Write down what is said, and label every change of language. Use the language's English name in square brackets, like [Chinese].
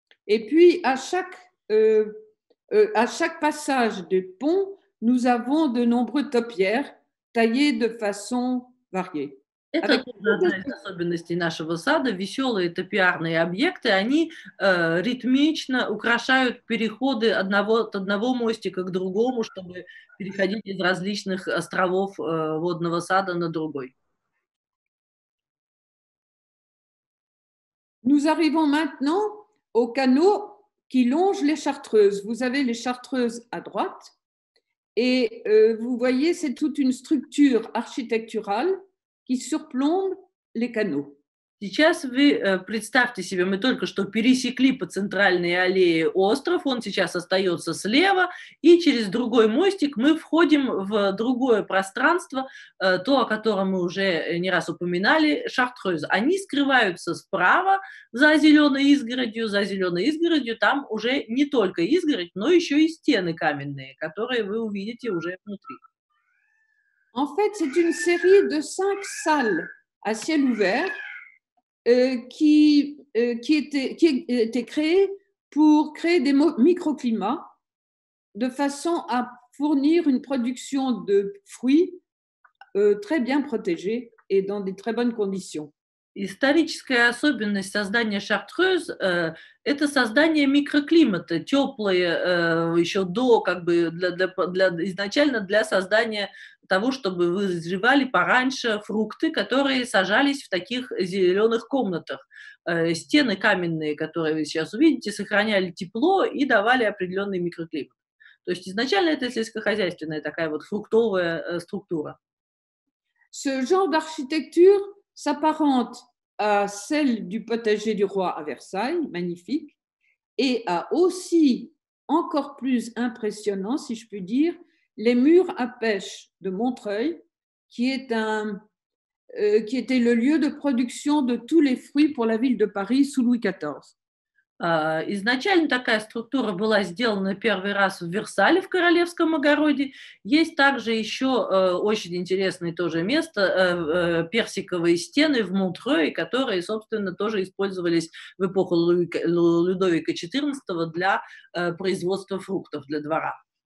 [French] Et puis, à chaque passage du pont, nous avons de nombreux topiaires taillés de façon variée. [Russian] Это одна из особенностей нашего сада. Веселые топиарные объекты, они ритмично украшают переходы от одного мостика к другому, чтобы переходить из различных островов водного сада на другой. [French] Nous arrivons maintenant au canot qui longe les chartreuses. Vous avez les chartreuses à droite et vous voyez, c'est toute une structure architecturale qui surplombe les canaux. [Russian] Сейчас вы представьте себе, мы только что пересекли по центральной аллее остров, он сейчас остается слева, и через другой мостик мы входим в другое пространство, то, о котором мы уже не раз упоминали, Шартрёз. Они скрываются справа за зеленой изгородью, там уже не только изгородь, но еще и стены каменные, которые вы увидите уже внутри. [French] En fait, c'est une série de 5 salles à ciel ouvert qui était créée pour créer des microclimats de façon à fournir une production de fruits très bien protégée et dans des très bonnes conditions. [Russian] Историческая особенность создания Шартрёз – это создание микроклимата, теплые еще до, как бы, изначально для создания того, чтобы вызревали пораньше фрукты, которые сажались в таких зеленых комнатах. Стены каменные, которые вы сейчас увидите, сохраняли тепло и давали определенный микроклимат. То есть изначально это сельскохозяйственная такая вот фруктовая структура. [French] Ce genre d'architecture s'apparente à celle du potager du roi à Versailles, magnifique, et à aussi encore plus impressionnant, si je puis dire, les murs à pêche de Montreuil, qui était le lieu de production de tous les fruits pour la ville de Paris sous Louis XIV. [Russian] Изначально такая структура была сделана первый раз в Версале, в королевском огороде. Есть также еще очень интересное тоже место, персиковые стены в Монтрёе, которые, собственно, тоже использовались в эпоху Людовика XIV для производства фруктов для двора.